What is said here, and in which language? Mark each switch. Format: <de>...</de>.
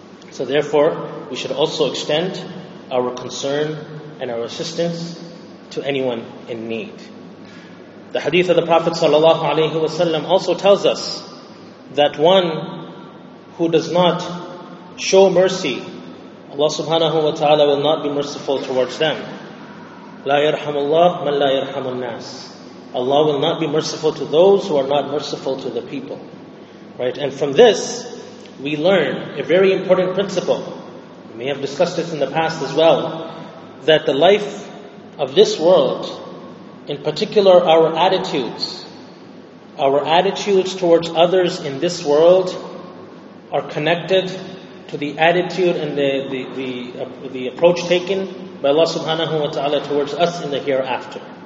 <en>So therefore, we should also extend our concern and our assistance to anyone in need. The hadith of the Prophet ﷺ also tells us that one who does not show mercy, Allah subhanahu wa ta'ala will not be merciful towards them.</en> <ar>لا يرحم الله من لا يرحم الناس.</ar> <en>Allah will not be merciful to those who are not merciful to the people. Right? And from this, we learn a very important principle. We may have discussed this in the past as well, that the life of this world, in particular our attitudes towards others in this world, are connected to the attitude and the approach taken by Allah subhanahu wa ta'ala towards us in the hereafter.</en>